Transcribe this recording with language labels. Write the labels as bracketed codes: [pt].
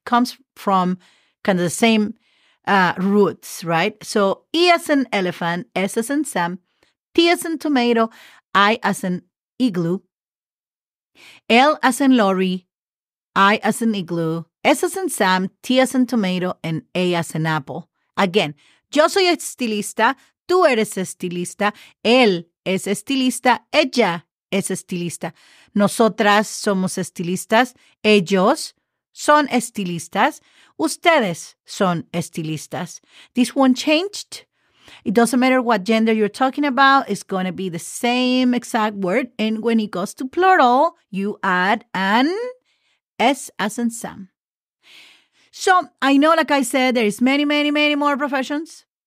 [en] Comes from kind of the same roots, right? So E as in elephant, S as in Sam, T as in tomato, I as in igloo, L as in lorry, I as in igloo, S as in Sam, T as in tomato, and A as in apple. [es] Again, yo soy estilista, tú eres estilista, él es estilista, ella es estilista, nosotras somos estilistas, ellos son estilistas, ustedes son estilistas. [en] This one changed. It doesn't matter what gender you're talking about. It's going to be the same exact word. And when it goes to plural, you add an S as in Sam. So I know, like I said, there is many, many, many more professions.